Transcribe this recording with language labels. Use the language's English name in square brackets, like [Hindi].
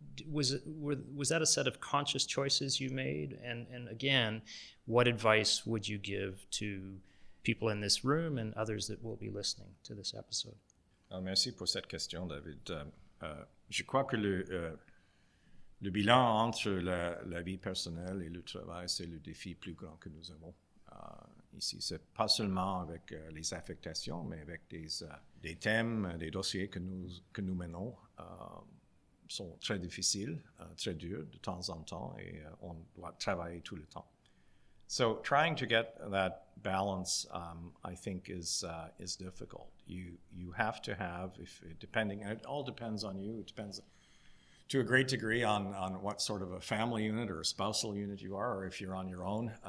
[English] Was that a set of conscious choices you made? And again, what advice would you give to people in this room and others that will be listening to this episode? [French] Merci pour cette question, David. Je crois que le bilan entre la vie personnelle et le travail, c'est le défi plus grand que nous avons ici. C'est pas seulement avec les affectations, mais avec des thèmes, des dossiers que nous menons. Sont très difficiles, très durs de temps en temps, et on doit travailler tout le temps. [English] So trying to get that balance, I think, is difficult. You have to have, it all depends on you. It depends to a great degree on what sort of a family unit or a spousal unit you are, or if you're on your own.